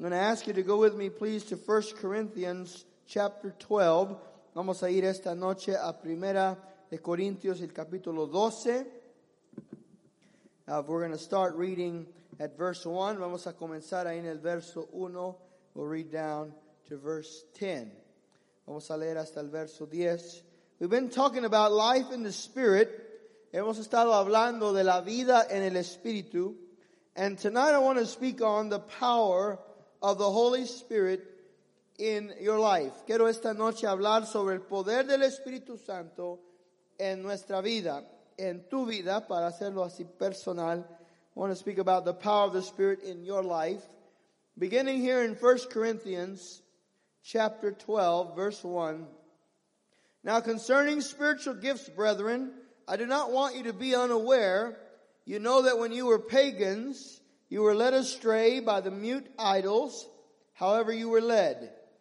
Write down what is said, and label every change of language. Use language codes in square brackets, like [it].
[en] I'm going to ask you to go with me, please, to 1 Corinthians chapter 12. [es] Vamos a ir esta noche a Primera de Corintios, el capítulo 12. [en] We're going to start reading at verse 1. [es] Vamos a comenzar ahí en el verso 1. [en] We'll read down to verse 10. [es] Vamos a leer hasta el verso 10. [en] We've been talking about life in the Spirit. [es] Hemos estado hablando de la vida en el Espíritu. [en] And tonight I want to speak on the power of the Holy Spirit in your life. [es] Quiero esta noche hablar sobre el poder del Espíritu Santo en nuestra vida, en tu vida, para hacerlo así personal. [en] I want to speak about the power of the Spirit in your life. Beginning here in 1 Corinthians chapter 12, verse 1. Now concerning spiritual gifts, brethren, I do not want you to be unaware. You know that when you were pagans, you were led astray by the mute idols, however you were led.